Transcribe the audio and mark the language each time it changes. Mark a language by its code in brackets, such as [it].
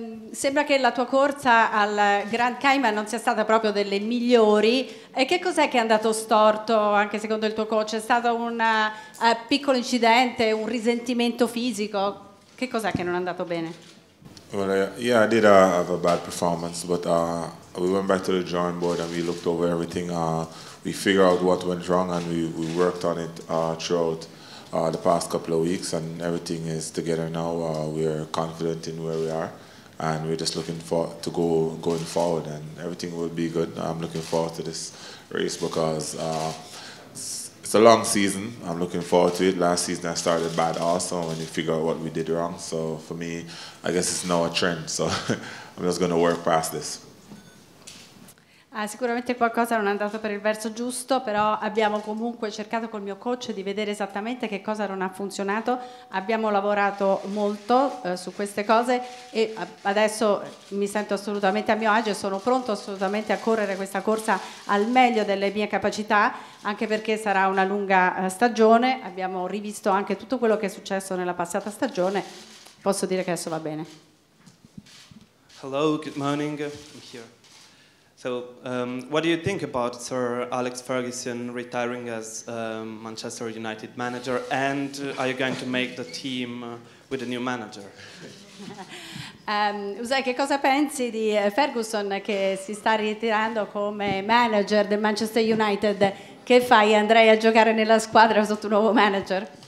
[it] Sembra che la tua corsa al Grand Cayman non sia stata proprio delle migliori. E che cos'è che è andato storto anche secondo il tuo coach? È stato un piccolo incidente, un risentimento fisico? Che cos'è che non è andato bene? [en] Well, yeah, I did have a bad performance, but we went back to the drawing board and we looked over everything. We figured out what went wrong and we worked on it throughout the past couple of weeks, and everything is together now. We're confident in where we are, and we're just looking for to go going forward, and everything will be good. I'm looking forward to this race because it's a long season. I'm looking forward to it. Last season I started bad also, and you figure out what we did wrong. So for me, I guess it's now a trend. So I'm just going to work past this. [it] Sicuramente qualcosa non è andato per il verso giusto, però abbiamo comunque cercato col mio coach di vedere esattamente che cosa non ha funzionato. Abbiamo lavorato molto su queste cose e adesso mi sento assolutamente a mio agio e sono pronto assolutamente a correre questa corsa al meglio delle mie capacità, anche perché sarà una lunga stagione. Abbiamo rivisto anche tutto quello che è successo nella passata stagione. Posso dire che adesso va bene. [en] Hello, good morning. I'm here. So, what do you think about Sir Alex Ferguson retiring as Manchester United manager? And are you going to make the team with a new manager? [it] Usai, che cosa pensi di Ferguson che si sta ritirando come manager del Manchester United? Che fai? Andrei a giocare nella squadra sotto un nuovo manager?